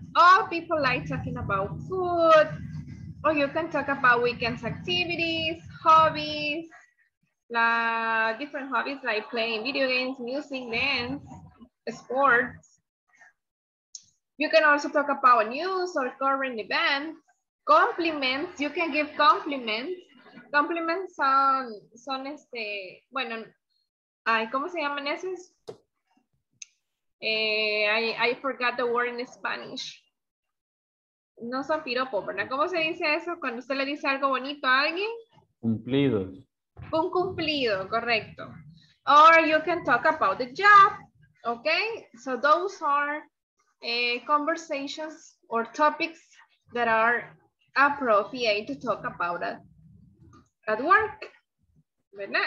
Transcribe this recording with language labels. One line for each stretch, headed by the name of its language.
English: All people like talking about food. Or you can talk about weekends activities, hobbies, different hobbies like playing video games, music, dance, sports. You can also talk about news or current events. Compliments, you can give compliments.
Spanish: Compliments son este, bueno, ay, ¿cómo se llaman esos?
English: I forgot the word in Spanish.
Spanish: No son piropos, ¿verdad? ¿Cómo se dice eso cuando usted le dice algo bonito a alguien? Cumplidos. Un cumplido, correcto.
English: Or you can talk about the job, okay? So those are conversations or topics that are appropriate to talk about at work. ¿Verdad?